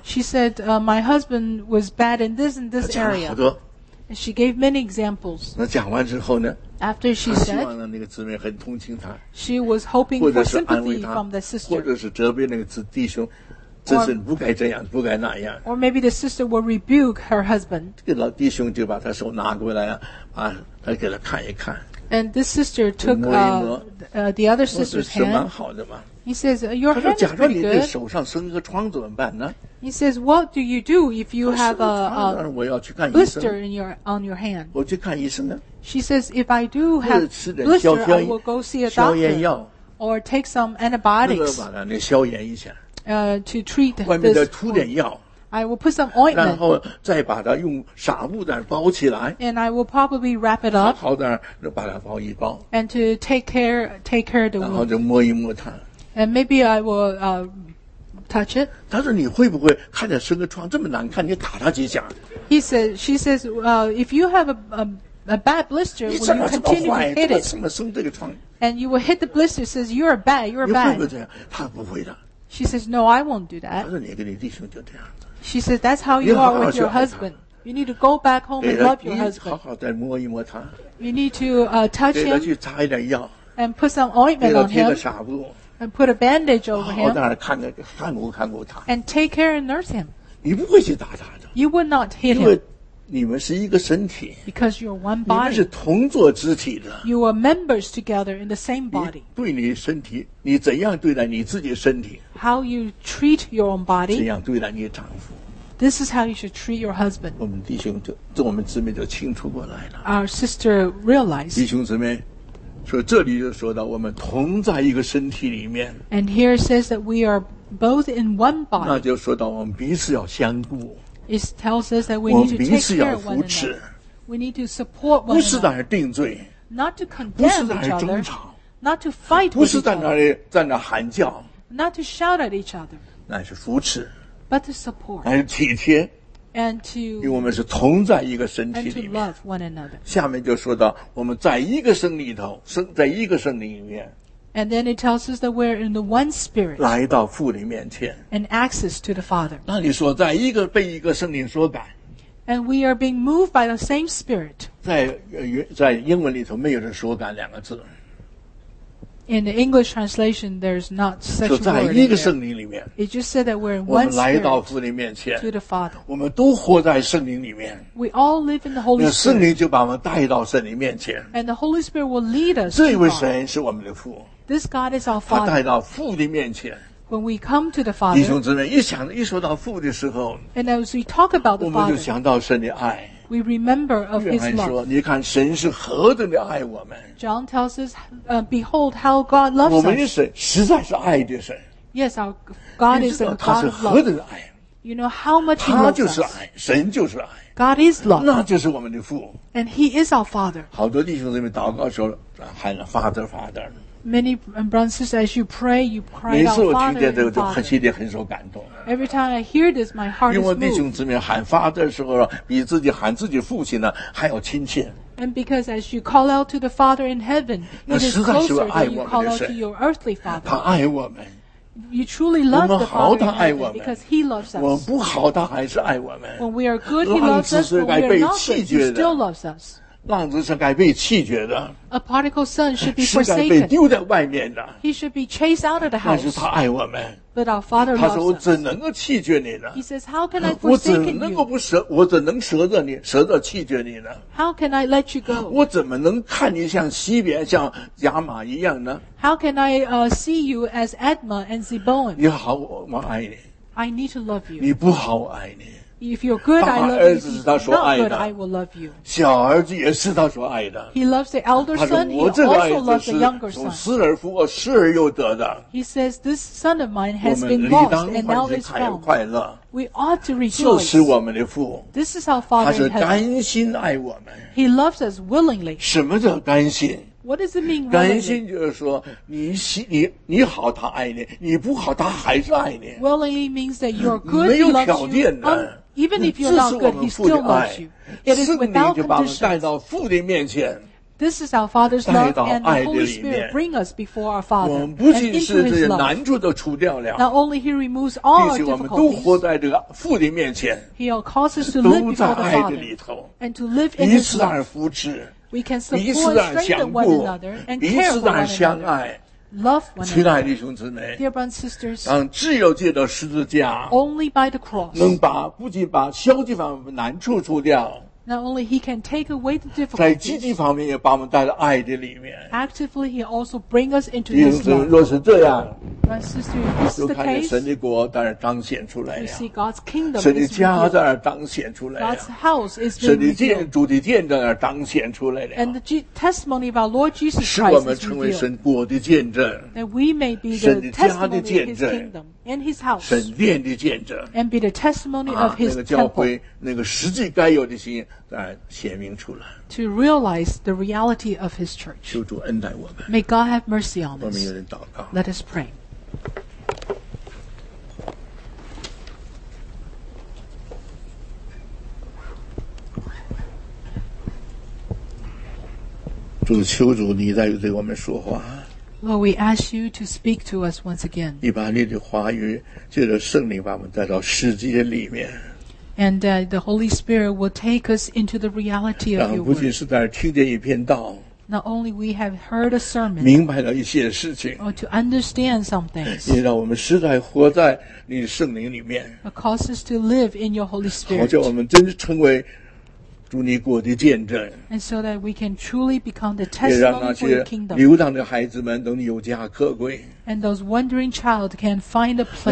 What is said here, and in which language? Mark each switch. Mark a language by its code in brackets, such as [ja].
[en] She said, my husband was bad in this and this area. And she gave many examples. [zh] 那讲完之后呢 [en] After she said, [zh] 希望那个姊妹很同情她 [en] She was hoping for sympathy from the sister. [zh] 或者是责备那个弟兄这是不该这样不该那样 [en] Or maybe the sister will rebuke her husband. [zh] 这个老弟兄就把他手拿过来把他给他看一看 [en] And this sister took the other sister's hand. He says, "Your hand is pretty good." [zh] 假如你的手上生一个疮怎么办呢 [en] ？He says, "What do you do if you have a blister on your hand?" [zh] 我去看医生啊。 [en] She says, "If I do have blister, I will go see a doctor." [zh] 消炎药 [en] or take some antibiotics. [zh] 那个把它那消炎一下。 [en] To treat this. [zh] 外面再涂点药。 [en] I will put some ointment. [zh] 然后再把它用纱布在那包起来。 [en] And I will probably wrap it up. [zh] 好在那把它包一包。 [en] And to take care of the wound. [zh] 然后就摸一摸它。 [en] And maybe I will touch it. [zh] 他说你会不会看见生个疮这么难看？你打他几下 [en] ？He says, she says, if you have a bad blister, will you continue to hit it? [zh] 你怎么生这个疮 [en] ？And you will hit the blister. Says you are bad. You are bad. [zh] 你会不会这样？他不会的。 [en] She says, no, I won't do that. [zh] 他说你跟你弟兄就这样。 [en] She said, that's how you are with your husband. You need to go back home and love your husband. [zh] 好好再摸一摸他。 [en] You need to touch him. [zh] 给他去擦一点药。 [en] And put some ointment on him. [zh] 给他贴个纱布。 [en] And put a bandage over him. [zh] 好好在那看着，看顾看顾他。 [en] And take care and nurse him. [zh] 你不会去打他的。 [en] You would not hit him. [zh] 因为你们是一个身体。 [en] Because you're one body. [zh] 你们是同作肢体的。 [en] You are members together in the same body. [zh] 对你身体，你怎样对待你自己身体 [en] ？How you treat your own body? [zh] 怎样对待你的丈夫？ [en] This is how you should treat your husband. [zh] 我们弟兄就做我们姊妹就清楚过来了。 [en] Our sister realized. [zh] 弟兄姊妹说这里就说到我们同在一个身体里面。 [en] And here it says that we are both in one body. [zh] 那就说到我们彼此要相顾。 [en] It tells us that we need to take care of one another. [zh] 我们彼此要扶持。 [en] We need to support one another. [zh] 不是在那儿定罪。 [en] Not to condemn each other. [zh] 不是在那儿争吵。 [en] Not to fight with each other. [zh] 不是在那儿喊叫。 [en] Not to shout at each other. [zh] 那是扶持。 [en] But to support, [zh] 还是体贴 [en] and to, [zh] 因为我们是同在一个身体里面 [en] and to love one another. [zh] 下面就说到我们在一个身里头身在一个身体里面 [en] and then it tells us that we're in the one spirit [zh] 来到父的面前 [en] and access to the Father [zh] 那你说在一个被一个圣灵所感 [en] and we are being moved by the same spirit [zh] 在英文里头没有这所感两个字 [en] in the English translation there's not such a word [zh] 就在一个圣灵里面 [en] it just said that we're in one spirit to the Father [zh] 我们都活在圣灵里面 [en] we all live in the Holy Spirit [zh] 圣灵就把我们带到圣灵面前 [en] and the Holy Spirit will lead us [zh] 这位神是我们的父 [en] this God is our Father [zh] 他带到父的面前 [en] when we come to the Father [zh] 弟兄姊妹一说到父的时候 [en] and as we talk about the Father [zh] 我们就想到神的爱 [en] We remember of His love. [zh] 约翰说，你看神是何等的爱我们。 [en] John tells us, behold how God loves us. [zh] 我们的神实在是爱的神。 [en] Yes, our God is a God of love. [zh] 他是何等的爱。 [en] You know how much He loves us. [zh] 他就是爱，神就是爱。 [en] God is love. [zh] 那就是我们的父。 [en] And He is our Father. [zh] 好多弟兄姊妹祷告说，喊了 [en] Father, Father. Many brothers, as you pray, you cry out, Father, Father. [zh] 每次我听见这个，就很心里很受感动。 [en] Every time I hear this, my heart is moved. [zh] 因为弟兄姊妹喊 Father 的时候，比自己喊自己父亲呢还要亲切。 [en] And because as you call out to the Father in heaven, it is closer than you call out to your earthly Father. [zh] 他爱我们。 [en] You truly love the Father in heaven because He loves us. [zh] 我们不好，他还是爱我们。 [en] When we are good, He loves us. When we are not good, He still loves us. [zh] 浪子是该被弃绝的 [en] A prodigal son should be forsaken [zh] 是该被丢在外面的 [en] He should be chased out of the house [zh] 但是他爱我们 [en] But our Father loves us [zh] 他说我怎能够弃绝你呢 [en] He says how can I forsaken you [zh] 我怎能舍得你舍得弃绝你呢 [en] How can I let you go [zh] 我怎么能看你像西边像亚玛一样呢 [en] How can I see you as Adma and Zeboan [zh] 你好我爱你 [en] I need to love you [zh] 你不好我爱你 [en] If you're good, I love you. If you're not good, I will love you. [zh] 小儿子也是他所爱的。 [en] He loves the elder son. He also loves the younger son. [zh] 从失而复得，失而又得的。 [en] He says, "This son of mine has been lost, and now is found." We ought to rejoice. [zh] 这是我们的父。 [en] This is our Father. [zh] 他是甘心爱我们。 [en] He loves us willingly. [zh] 什么叫甘心？ [en] What does it mean? Willingly? [zh] 甘心就是说，你好，他爱你；你不好，他还是爱你。 [en] Willingly means that you're good. [zh] 没有条件的。 [en] Even if you're not good, he still loves you. It is without conditions. This is our Father's love, and the Holy Spirit bring us before our Father and into His love. Not only He removes all our difficulties, He causes us to live before the Father and to live in His love. We can support and strengthen one another and care for one another. Love one another. [zh] 亲爱的弟兄姊妹 [en] Dear brothers and sisters, [zh] 让自由借着十字架 [en] Only by the cross [zh] 能把不仅把消极方面难处除掉 [en] Not only he can take away the difficulties [zh] 在积极方面也把我们带到爱的里面 [en] Actively he also bring us into his love [zh] 弟兄姊妹若是这样 [en] Brothers and sisters, this is the case [zh] 就看见神的国在那彰显出来 [en] We see God's kingdom [zh] 神的家在那彰显出来 [en] God's house is being revealed [zh] 神的主的殿在那彰显出来 [en] And the testimony of our Lord Jesus Christ is revealed [zh] 使我们成为神国的见证 [en] That we may be the testimony of his kingdom and his house [zh] 神殿的见证 [en] And be the testimony of his temple [zh] 那个教会那个实际该有的心在显明出来 [en] To realize the reality of his church [zh] 求主恩待我们 [en] May God have mercy on us [zh] 我们有人祷告 [en] Let us pray [zh] 主求主你再对我们说话 [en] Lord we ask you to speak to us once again [zh] 你把你的话语借着圣灵把我们带到世界里面 [en] And the Holy Spirit will take us into the reality of your word [zh] 不仅是在听见一篇道 [en] Not only we have heard a sermon [zh] 明白了一些事情 [en] Or to understand some things [zh] 也让我们实在活在你的圣灵里面 [en] It causes to live in your Holy Spirit [zh] 好叫我们真是成为主你国的见证 [en] And so that we can truly become the testimony for your kingdom [zh] 也让那些流荡的孩子们等你有家可归 [en] And those wandering child can find a place to return